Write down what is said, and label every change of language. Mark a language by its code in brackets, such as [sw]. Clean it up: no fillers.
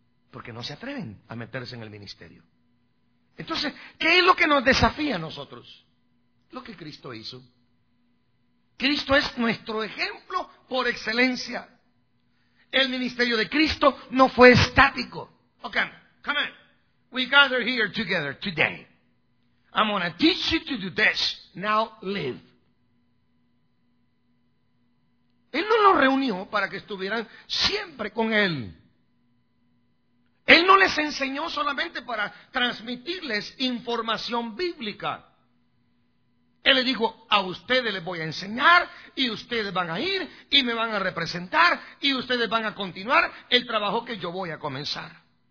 [es] Porque no se atreven a meterse en el ministerio. Entonces, ¿qué es lo que nos desafía a nosotros? Lo que Cristo hizo. Cristo es nuestro ejemplo por excelencia. El ministerio de Cristo no fue estático. [en] Okay, come on. We gather here together today. I'm going to teach you to do this. Now live. [es] Él no los reunió para que estuvieran siempre con Él. Él no les enseñó solamente para transmitirles información bíblica. Él les dijo, a ustedes les voy a enseñar, y ustedes van a ir, y me van a representar, y ustedes van a continuar el trabajo que yo voy a comenzar.